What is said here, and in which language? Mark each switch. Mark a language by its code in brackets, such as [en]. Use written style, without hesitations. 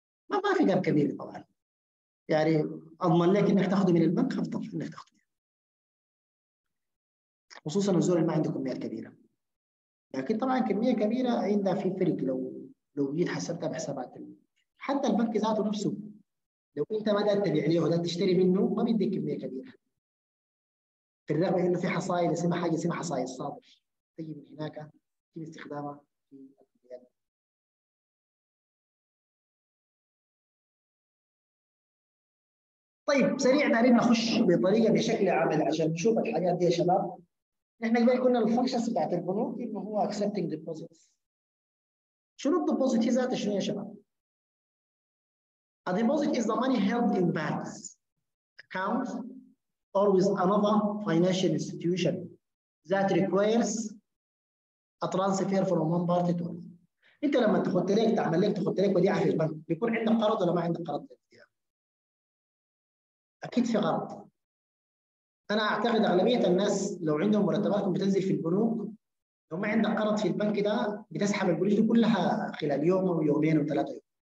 [ar] ما في جاب كبير طبعا، يعني أضمن لك إنك تاخده من البنك أفضل إنك تاخده، خصوصا الزول ما عنده كميات كبيرة، لكن طبعا كمية كبيرة عندها في فرق لو جيت حسبتها بحسابات حتى البنك ذاته نفسه لو انت ما دهت تبيع ليه ولا تشتري منه ما بيديك كمية كبيرة، في الرغم انه في حصائل اسمها حاجة اسمها حصائل صادر تجي من هناك في استخدامها في البيان. طيب سريع دارين نخش بطريقة بشكل عامل عشان نشوف الحاجات دي يا شباب. نحن قبل كنا الفانكشنز بتاعت البنوك انه هو [en] accepting deposits. [ar] شنو الديبوزيت ذاته شنو يا شباب؟ [en] A deposit is the money held in banks, accounts, or with another financial institution that requires a transfer from one party to another. [ar] أنت لما تخد لك تعمل لك تخد لك وديعة في البنك بيكون عندك قرض ولا ما عندك قرض؟ أكيد في قرض. أنا أعتقد أغلبية الناس لو عندهم مرتباتهم بتنزل في البنوك لو ما عندك قرض في البنك ده بتسحب القروش دي كلها خلال يوم أو يومين أو ثلاثة يوم.